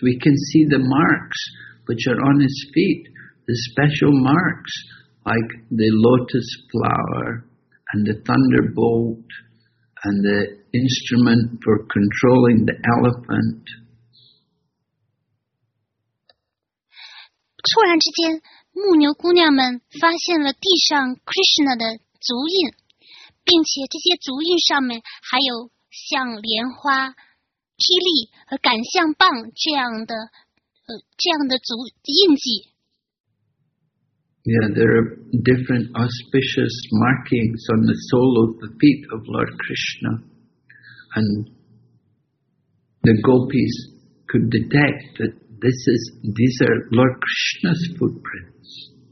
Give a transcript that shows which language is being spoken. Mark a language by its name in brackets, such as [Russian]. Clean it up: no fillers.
[English] We can see the marks which are on his feetThe special marks, like the lotus flower and the thunderbolt and the instrument for controlling the elephant. [Chinese] 突然之间，牧牛姑娘们发现了地上 Krishna 的足印，并且这些足印上面还有像莲花、霹雳和感象棒这样的足印记。 [English] Yeah, there are different auspicious markings on the sole of the feet of Lord Krishna. And the gopis could detect that these are Lord Krishna's footprints.